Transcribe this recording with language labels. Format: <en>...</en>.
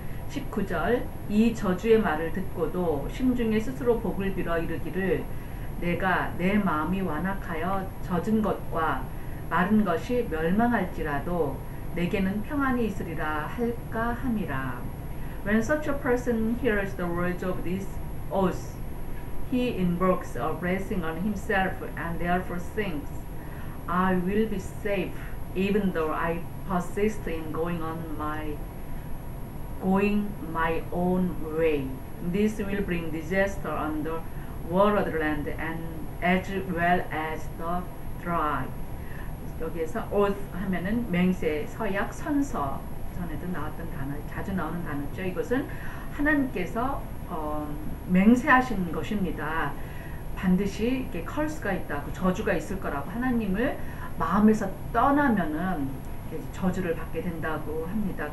<ko>19절, 이 저주의 말을 듣고도 심중에 스스로 복을 빌어 이르기를 내가 내 마음이 완악하여 젖은 것과 마른 것이 멸망할지라도 내게는 평안이 있으리라 할까 함이라.</ko> <en>When such a person hears the words of this oath, he invokes a blessing on himself and therefore thinks, I will be safe even though I persist in going my own way. This will bring disaster on the watered land and as well as the dry.</en> <ko>여기에서 oath 하면은 맹세, 서약, 선서, 전에도 나왔던 단어, 자주 나오는 단어죠. 이것은 하나님께서 맹세하신 것입니다. 반드시 이렇게 curse가 있다고, 저주가 있을 거라고, 하나님을 마음에서 떠나면은 저주를 받게 된다고 합니다.</ko>